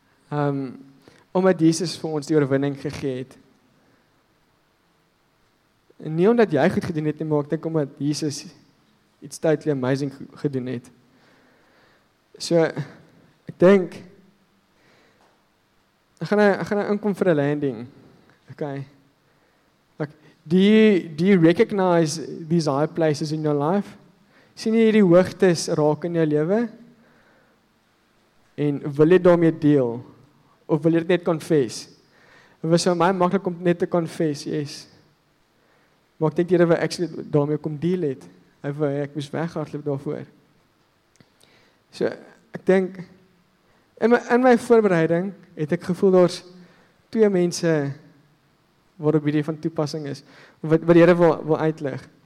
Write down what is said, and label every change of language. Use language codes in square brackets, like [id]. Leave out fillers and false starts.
[af] Omdat Jesus vir ons die oorwinning gegee het. En nie omdat jy goed gedoen het nie, maar ek dink omdat Jesus iets [en] totally amazing [af] gedoen het. So, ek dink, ek gaan inkom vir 'n landing. Okay. [en] Do you recognize these high places in your life? [af] Sien jy hierdie hoogtes raak in jou lewe? En wil jy daarmee deel? Of wil jy dit net confess? Dit was so my maklik om net te confess, yes. Maar ek dink jyre wat actually daarmee kom deal het. Ek moes weghardloop daarvoor. So, ek dink, in my voorbereiding het ek gevoel daar's twee mense waarop hierdie van toepassing is, wat jyre wil uitleg.